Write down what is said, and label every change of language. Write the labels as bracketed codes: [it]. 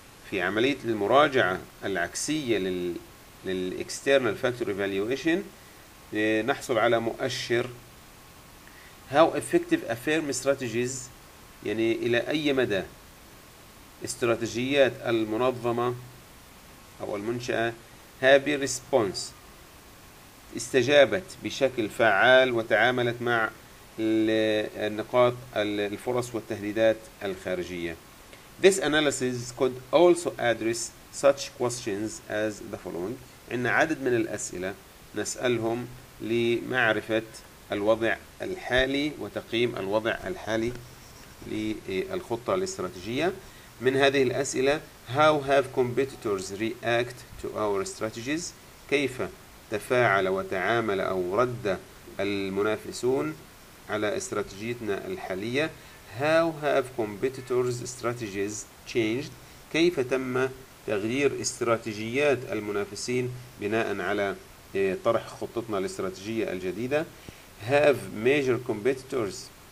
[ar] في عملية المراجعة العكسية لل [en] external factor evaluation [ar] نحصل على مؤشر [en] how effective a firm strategies، [ar] يعني إلى أي مدى استراتيجيات المنظمة أو المنشأة [en] have been response، [ar] استجابت بشكل فعال وتعاملت مع النقاط الفرص والتهديدات الخارجية. [en] This analysis could also address such questions as the following. [ar] عندنا عدد من الأسئلة نسألهم لمعرفة الوضع الحالي وتقييم الوضع الحالي للخطة الاستراتيجية. من هذه الأسئلة [en] How have competitors react to our strategies؟ [ar] كيف تفاعل وتعامل أو رد المنافسون على استراتيجيتنا الحالية؟ [en] How have competitors' strategies changed؟ [ar] كيف تم تغيير استراتيجيات المنافسين بناء على طرح خطتنا الاستراتيجية الجديدة؟ [en] Have major competitors'